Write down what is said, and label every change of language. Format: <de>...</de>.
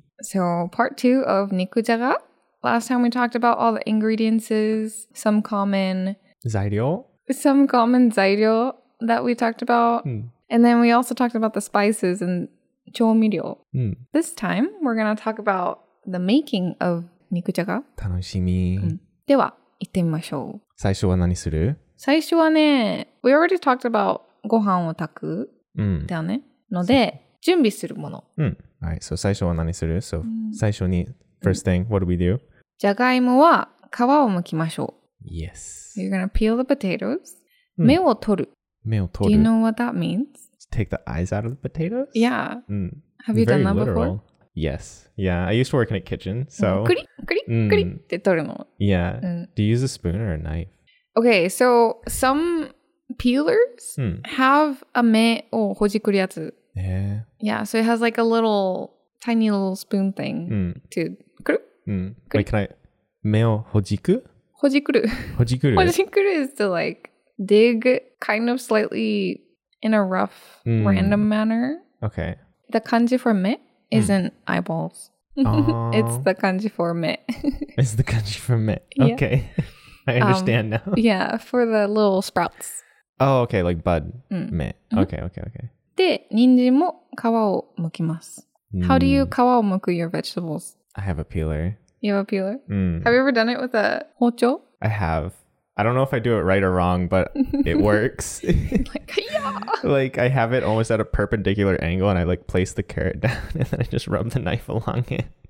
<en>So, part 2 of 肉じゃが。 Last time we talked about all the ingredients, some common...</en> <ja>材料?</ja> <en>Some common 材料 that we talked about. And then we also talked about the spices and 調味料. This time, we're going to talk about the making of 肉じゃが。</en> <ja>楽しみ。では、行ってみましょう。最初は何する? 最初はね、</ja> <en>we already talked about</en> <ja>ご飯を炊く。だよね。ので、準備するもの。</ja> <en>Alright, so</en> <ja>最初は何する?</ja> <en>So,</en> <ja>最初に、</ja> <en>first thing, what do we do?</en> <ja>じゃがいもは皮を剥きましょう。</ja> <en>Yes. You're gonna peel the potatoes.</en> <ja>芽を取る。芽を取る。</ja> <en>Do you know what that means? To take the eyes out of the potatoes? Yeah. Have you done that before? Very literal. Yes. Yeah, I used to work in a kitchen, so...</en> <ja>クリッ、クリッ、クリッって取るの。</ja> <en>Yeah. Do you use a spoon or a knife? Okay, so some peelers have a</en> <ja>芽をほじくるやつ。</ja> <en>Yeah, so it has like a little, tiny little spoon thing to... Wait, can I...</en> <ja>芽をほじく? ほじくる。ほじくる。</ja> <en>ほじくる is to like dig kind of slightly in a rough, random manner. Okay. The kanji for 芽 isn't eyeballs. It's the kanji for 芽. It's the kanji for 芽.Okay. I understand now. Yeah, for the little sprouts. Oh, okay, like bud 芽.Okay.</en> <ja>で、人参も皮を剥きます。</ja> <en>How do you</en> <ja>皮を剥く</ja> <en>your vegetables? I have a peeler. You have a peeler? Have you ever done it with a 包丁? I have. I don't know if I do it right or wrong, but it works. Like, I have it almost at a perpendicular angle and I like place the carrot down and then I just rub the knife along it.</en>